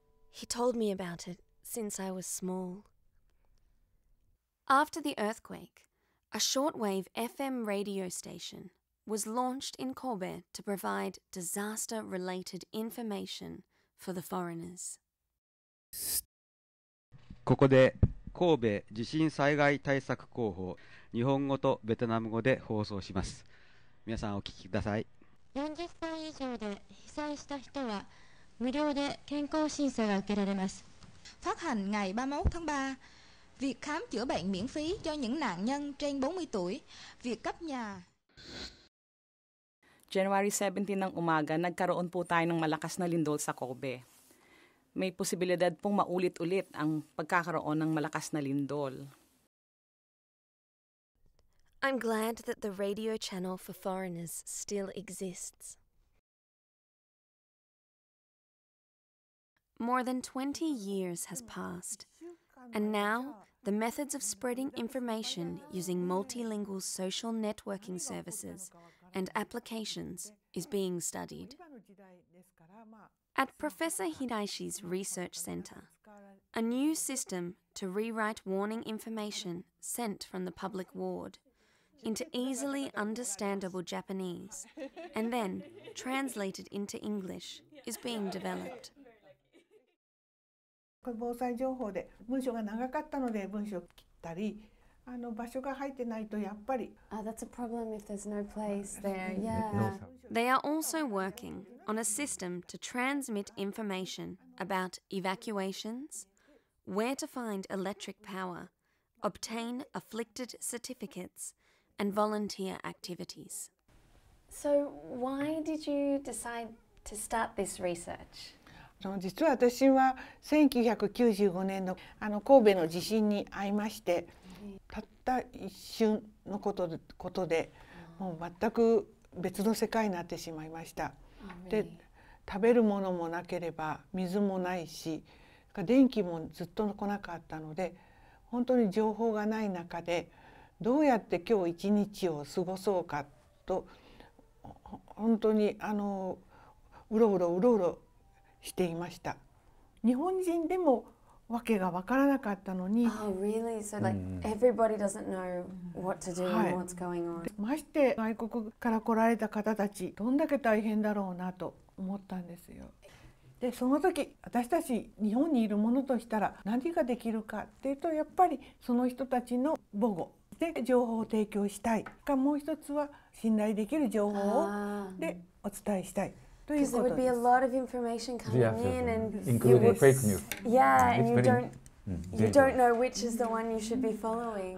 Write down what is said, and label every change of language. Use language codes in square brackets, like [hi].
[en] He told me about it since I was small. After the earthquake, a shortwave FM radio station was launched in Kobe to provide disaster-related information for the foreigners. [ja] ここで神戸地震災害対策広報、日本語とベトナム語で放送します。皆さんお聞きください。 40歳以上で被災した人は無料で健康診査が受けられます。 [vi] Phát hành ngày 31 tháng 3, việc khám chữa bệnh miễn phí cho những nạn nhân trên 40 tuổi, việc cấp nhà. [tl] January 17 ng umaga, nagkaroon po tayo ng malakas na lindol sa Kobe. May posibilidad pong maulit-ulit ang pagkakaroon ng malakas na lindol. [en] I'm glad that the radio channel for foreigners still exists. More than 20 years has passed, and now the methods of spreading information using multilingual social networking services and applications is being studied. At Professor Hidaishi's research center, a new system to rewrite warning information sent from the public ward into easily understandable Japanese and then translated into English is being developed. [ja] 防災情報で文章が長かったので文章を切ったり、場所が入ってないとやっぱり。 [en] That's a problem if there's no place there. Yeah. They are also working on a system to transmit information about evacuations, where to find electric power, obtain afflicted certificates, and volunteer activities. So why did you decide to start this research? [ja] 実は私は1995年の神戸の地震に遭いまして、たった一瞬のことでもう全く別の世界になってしまいました。で、食べるものもなければ水もないし、電気もずっと来なかったので、本当に情報がない中でどうやって今日一日を過ごそうかと、本当にうろうろうろうろしていました。日本人でもわけが分からなかったのに。 [en] Oh, really? So like everybody doesn't know what to do and what's going on. [ja] まして外国から来られた方たち、どんだけ大変だろうなと思ったんですよ。で、その時私たち日本にいるものとしたら何ができるかっていうと、やっぱりその人たちの母語で情報を提供したい。か、もう一つは信頼できる情報をでお伝えしたい。 [en] Because there would be a lot of information coming in, and including fake news. Yeah, and you don't know which is the one you should be following.